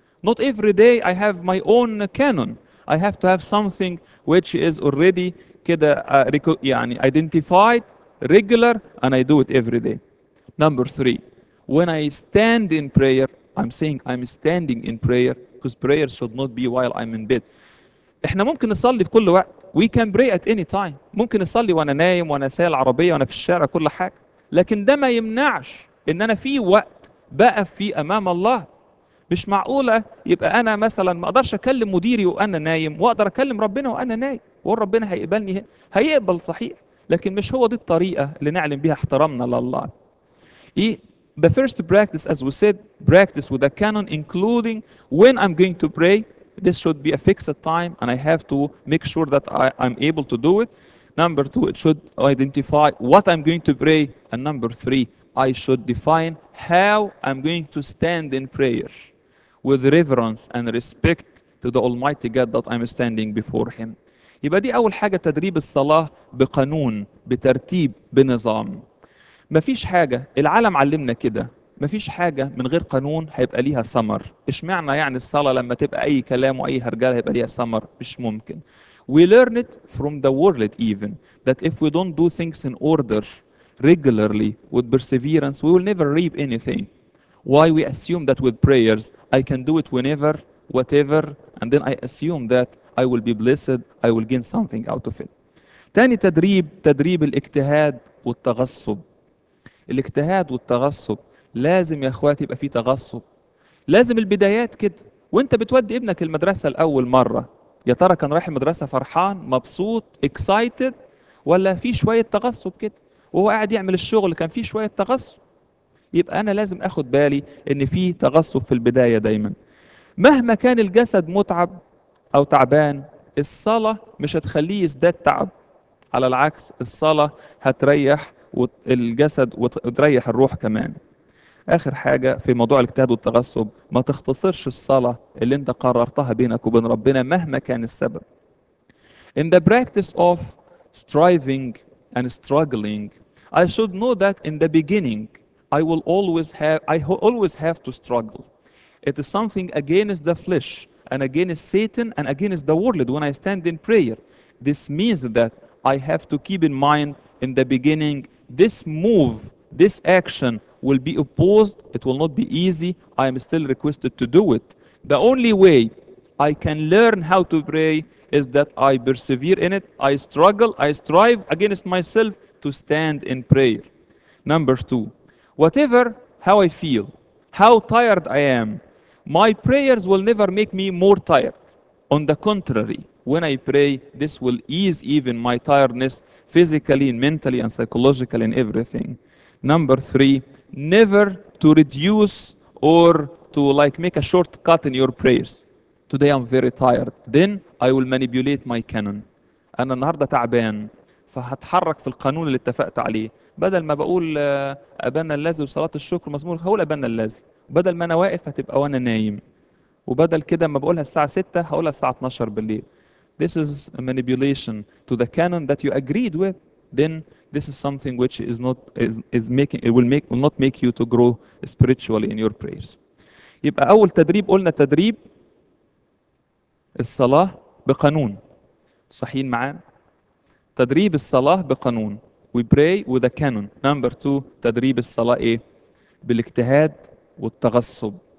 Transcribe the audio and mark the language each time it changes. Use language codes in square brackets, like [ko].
[en] Not every day I have my own canon. I have to have something which is already [ar] كده يعني [en] identified, regular, and I do it every day. Number three, when I stand in prayer, I'm saying I'm standing in prayer because prayer should not be while I'm in bed. [ar] إحنا ممكن نصلي في كل وقت. [en] We can pray at any time. [ar] ممكن نصلي وأنا نايم وأنا سايق العربية وأنا في الشارع كل حاجة. لكن ده ما يمنعش إن أنا في وقت بقف فيه أمام الله. مش معقولة يبقى أنا مثلا ما أقدرش أكلم مديري وأنا نايم وأقدر أكلم ربنا وأنا نايم وربنا هيقبلني. هيقبل صحيح، لكن مش هو دي الطريقة اللي نعلم بها احترامنا لله. [en] إيه؟ The first practice as we said practice with a canon including when I'm going to pray. This should be a fixed time and I have to make sure that I'm able to do it. Number two, it should identify what I'm going to pray. And number three, I should define how I'm going to stand in prayer with reverence and respect to the Almighty God that I'm standing before him. [ar] يبقى دي أول حاجة، تدريب الصلاة بقانون، بترتيب، بنظام. مفيش حاجة العالم علمنا كده، مفيش حاجة من غير قانون هيبقى ليها ثمر. اشمعنى يعني الصلاة لما تبقى أي كلام وأي هرجال هيبقى ليها ثمر؟ مش ممكن. [en] We learn it from the world even that if we don't do things in order regularly with perseverance we will never reap anything. Why we assume that with prayers I can do it whenever, whatever, and then I assume that I will be blessed, I will gain something out of it. [ar] تاني تدريب، تدريب الاجتهاد والتغصب. الاجتهاد والتغصب لازم يا اخواتي يبقى فيه تغصب. لازم البدايات كده وانت بتودي ابنك المدرسة لأول مرة، يا ترى كان رايح المدرسة فرحان مبسوط excited ولا في شوية تغصب كده وهو قاعد يعمل الشغل كان فيه شوية تغصب؟ يبقى أنا لازم أخد بالي إن في تغصب في البداية دايما. مهما كان الجسد متعب أو تعبان الصلاة مش هتخليه يزداد تعب، على العكس الصلاة هتريح الجسد وتريح الروح كمان. آخر حاجة في موضوع الاجتهاد والتغصب، ما تختصرش الصلاة اللي أنت قررتها بينك وبين ربنا مهما كان السبب. [en] In the practice of striving and struggling, I should know that in the beginning, I always have to struggle. It is something against the flesh and against Satan and against the world when I stand in prayer. This means that I have to keep in mind in the beginning, this move, this action will be opposed, it will not be easy, I am still requested to do it. The only way I can learn how to pray is that I persevere in it, I struggle, I strive against myself to stand in prayer. Number two, whatever how I feel, how tired I am, my prayers will never make me more tired. On the contrary, when I pray, this will ease even my tiredness physically and mentally and psychologically and everything. Number three, never to reduce or to like make a shortcut in your prayers. Today I'm very tired. Then I will manipulate my canon. [ar] أنا النهاردة تعبان فهتحرك في القانون اللي اتفقت عليه. بدل ما بقول أبانا الذي وصلاة الشكر مزمور هقول أبانا الذي. بدل ما أنا واقف هتبقى وأنا نايم. وبدل كده ما بقولها الساعة 6 هقولها الساعة 12 بالليل. [en] This is a manipulation to the canon that you agreed with. Then this is something which is not is making it will make will not make you to grow spiritually in your prayers. [ar] يبقى أول تدريب قلنا تدريب الصلاة بقانون، صحيحين معانا؟ تدريب الصلاة بقانون. [en] We pray with a canon. Number two، [ar] تدريب الصلاة إيه؟ بالاجتهاد والتغصب.